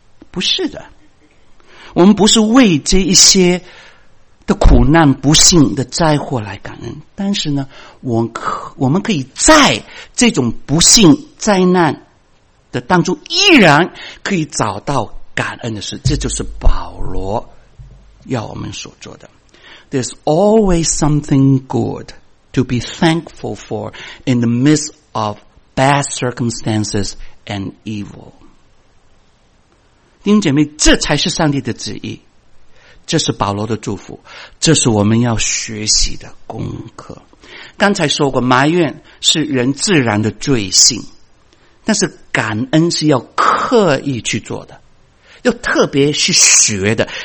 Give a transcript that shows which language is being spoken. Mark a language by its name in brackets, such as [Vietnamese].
[Chinese] 不是的，我们不是为这一些的苦难、不幸的灾祸来感恩，但是呢，我们可以在这种不幸灾难的当中依然可以找到感恩的事，这就是保罗要我们所做的。 [English] There's always something good to be thankful for in the midst of bad circumstances and evil. [Chinese] 弟兄姐妹，这才是上帝的旨意，这是保罗的祝福，这是我们要学习的功课。刚才说过，埋怨是人自然的罪性，但是感恩是要刻意去做的，要特别去学的。